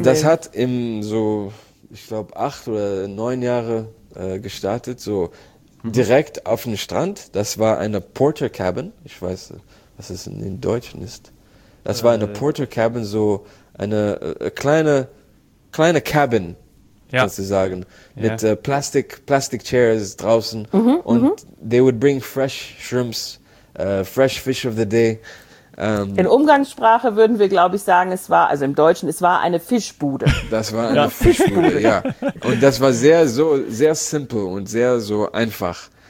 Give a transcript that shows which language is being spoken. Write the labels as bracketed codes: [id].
[de] Das hat im so, ich glaube, 8 oder 9 Jahre gestartet, so direkt auf dem Strand. Das war eine Porter Cabin. Ich weiß, was es in den Deutschen ist. Das war eine Porter Cabin, so eine kleine Cabin, ja, sozusagen, ja, mit Plastic Chairs draußen. [en] Mhm, und they would bring fresh shrimps, fresh fish of the day. [de] In Umgangssprache würden wir, glaube ich, sagen, es war, also im Deutschen, es war eine Fischbude. Das war eine Fischbude, ja. Und das war sehr, so, sehr simple und sehr, so einfach.